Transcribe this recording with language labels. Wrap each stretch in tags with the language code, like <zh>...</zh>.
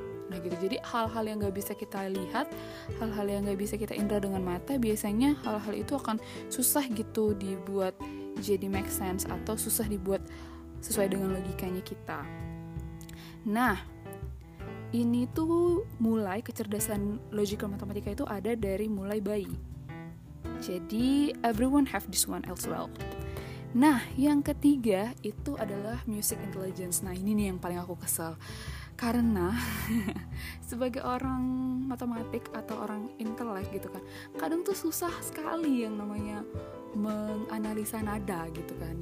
<id>Nah gitu, jadi hal-hal yang gak bisa kita lihat, hal-hal yang gak bisa kita indra dengan mata, biasanya hal-hal itu akan susah gitu dibuat jadi make sense atau susah dibuat sesuai dengan logikanya kita. Nah, ini tuh mulai kecerdasan logical matematika itu ada dari mulai bayi.</id> <en>Jadi, everyone have this one as well.</en> <id>Nah, yang ketiga itu adalah music intelligence. Nah, ini nih yang paling aku kesel. Karena sebagai orang matematik atau orang intelek gitu kan, kadang tuh susah sekali yang namanya menganalisa nada gitu kan.</id>